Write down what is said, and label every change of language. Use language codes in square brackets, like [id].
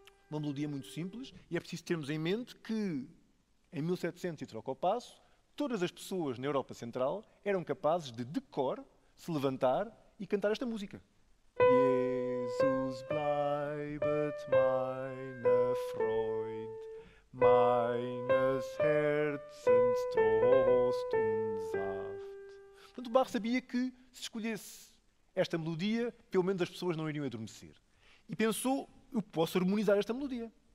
[pt] Melodia muito simples, e é preciso termos em mente que, em 1700 e troca o passo, todas as pessoas na Europa Central eram capazes de cor, se levantar e cantar esta música. [de] Jesus bleibt meine Freud, meines Herzens Trost und Saft. [pt] Portanto, Bach sabia que, se escolhesse esta melodia, pelo menos as pessoas não iriam adormecer. E pensou: eu posso harmonizar esta melodia.